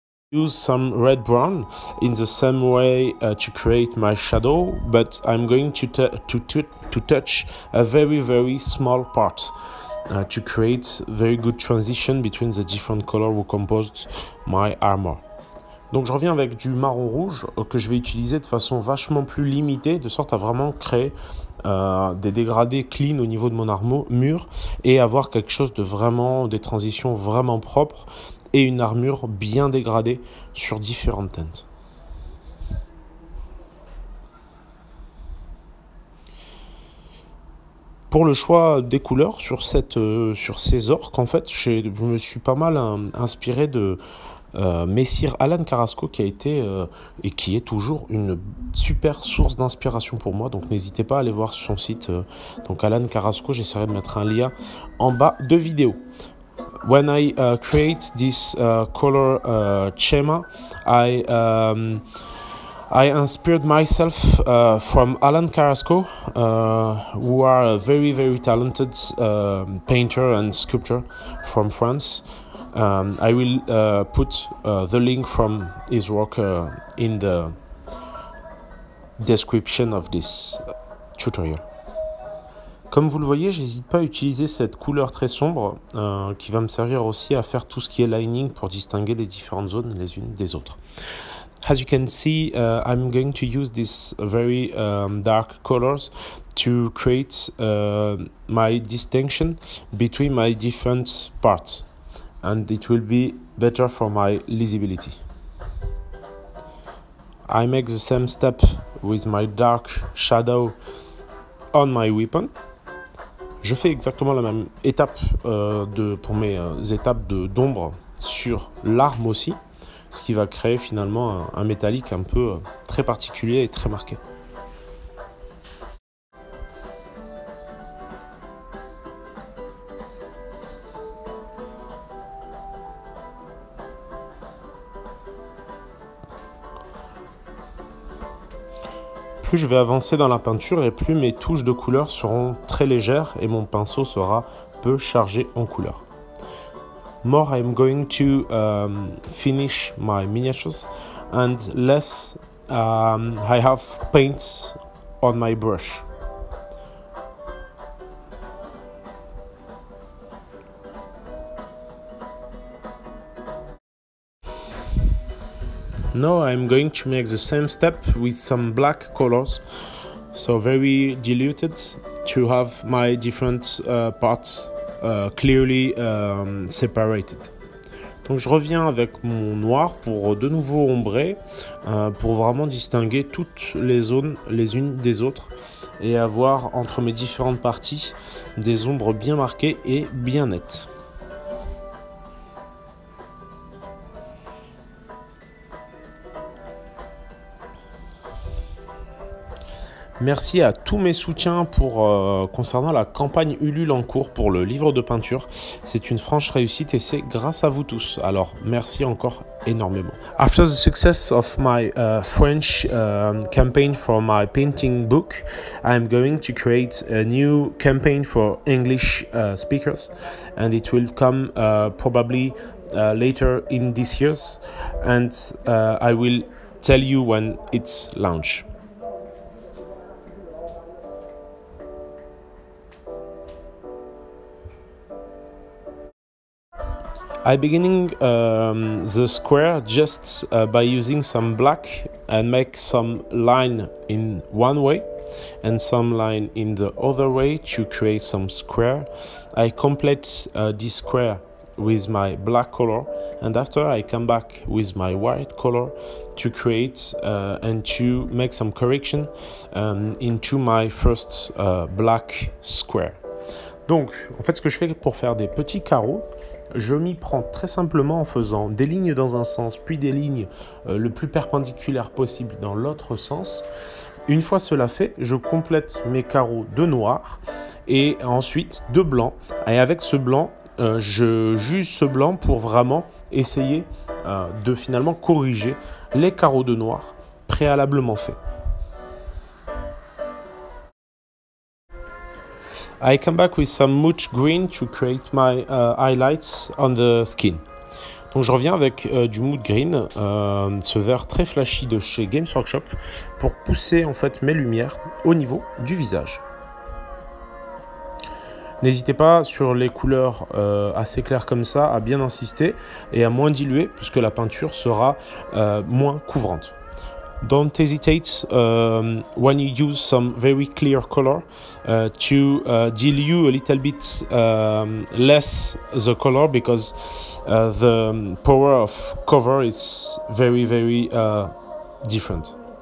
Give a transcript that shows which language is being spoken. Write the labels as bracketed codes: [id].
[en] use some red brown in the same way to create my shadow, but I'm going to touch a very, very small part to create very good transition between the different colors who composed my armor. [fr] Donc je reviens avec du marron rouge que je vais utiliser de façon vachement plus limitée, de sorte à vraiment créer des dégradés clean au niveau de mon armure et avoir quelque chose de vraiment, des transitions vraiment propres et une armure bien dégradée sur différentes teintes. Pour le choix des couleurs sur ces orques, en fait, je me suis pas mal inspiré de Messire Alan Carrasco, qui a été et qui est toujours une super source d'inspiration pour moi. Donc n'hésitez pas à aller voir son site. Donc Alan Carrasco, j'essaierai de mettre un lien en bas de vidéo. [en] When I create this color schema, I inspired myself from Alan Carrasco, who are a very, very talented painter and sculptor from France. I will put the link from his work in the description of this tutorial. [fr] Comme vous le voyez, j'hésite pas à utiliser cette couleur très sombre qui va me servir aussi à faire tout ce qui est lining pour distinguer les différentes zones les unes des autres. [en] As you can see, I'm going to use this very dark colors to create my distinction between my different parts, and it will be better for my legibility. I make the same step with my dark shadow on my weapon. [fr] Je fais exactement la même étape pour mes étapes d'ombre sur l'arme aussi, ce qui va créer finalement un métallique un peu très particulier et très marqué. Plus je vais avancer dans la peinture et plus mes touches de couleurs seront très légères et mon pinceau sera peu chargé en couleurs. [en] More I'm going to finish my miniatures and less I have paints on my brush. Now I'm going to make the same step with some black colors, so very diluted, to have my different parts clearly separated. [fr] Donc je reviens avec mon noir pour de nouveau ombrer, pour vraiment distinguer toutes les zones les unes des autres et avoir entre mes différentes parties des ombres bien marquées et bien nettes. Merci à tous mes soutiens pour concernant la campagne Ulule en cours pour le livre de peinture. C'est une franche réussite et c'est grâce à vous tous. Alors merci encore énormément. [en] After the success of my French campaign for my painting book, I am going to create a new campaign for English speakers and it will come probably later in this year and I will tell you when it's launched. I'm beginning the square just by using some black and make some line in one way and some line in the other way to create some square. I complete this square with my black color and after I come back with my white color to create and to make some correction into my first black square. [fr] Donc, en fait, ce que je fais pour faire des petits carreaux, je m'y prends très simplement en faisant des lignes dans un sens, puis des lignes le plus perpendiculaire possible dans l'autre sens. Une fois cela fait, je complète mes carreaux de noir et ensuite de blanc. Et avec ce blanc, je juge ce blanc pour vraiment essayer de finalement corriger les carreaux de noir préalablement faits. [en] I come back with some much green to create my highlights on the skin. [fr] Donc je reviens avec du mood green, ce vert très flashy de chez Games Workshop, pour pousser en fait mes lumières au niveau du visage. N'hésitez pas sur les couleurs assez claires comme ça à bien insister et à moins diluer puisque la peinture sera moins couvrante. [en] Don't hesitate when you use some very clear color to dilute a little bit less the color because the power of cover is very very different.